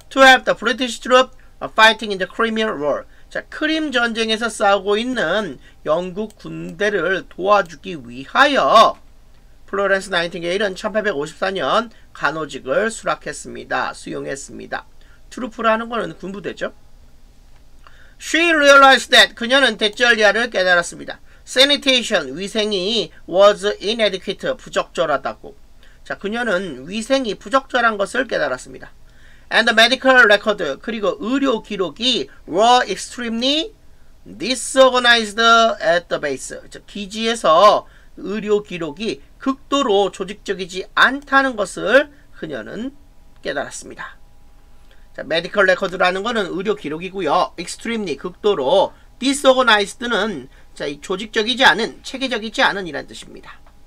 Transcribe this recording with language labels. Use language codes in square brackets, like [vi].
[en] To help the British troops fighting in the Crimean War. [ko] 자, 크림 전쟁에서 싸우고 있는 영국 군대를 도와주기 위하여 플로렌스 나이팅게일은 1854년 간호직을 수락했습니다. 수용했습니다. 트루프라는 것은 군부대죠. [en] She realized that [ko] 그녀는 대절리아를 깨달았습니다. [en] Sanitation, 위생이 was inadequate, 부적절하다고. [ko] 자, 그녀는 위생이 부적절한 것을 깨달았습니다. [en] And the medical record, [ko] 그리고 의료 기록이 [en] were extremely disorganized at the base. [ko] 즉, 기지에서 의료 기록이 극도로 조직적이지 않다는 것을 그녀는 깨달았습니다. 자, medical record라는 것은 의료 기록이고요. extremely, 극도로 disorganized는 자, 이 조직적이지 않은, 체계적이지 않은 이란 뜻입니다.